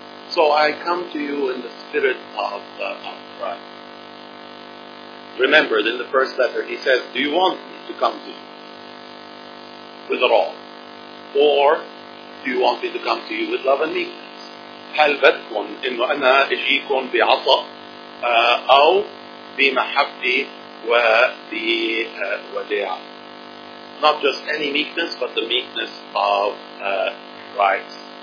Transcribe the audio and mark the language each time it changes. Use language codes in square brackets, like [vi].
[en] So I come to you in the spirit of Christ. Remember, in the first letter, he says, do you want me to come to you with it all? Or do you want me to come to you with love and meekness? [ar] هل بدكم إنه أنا أجيكم بعطاء أو بمحبتي وبوداع? [en] Not just any meekness, but the meekness of Christ.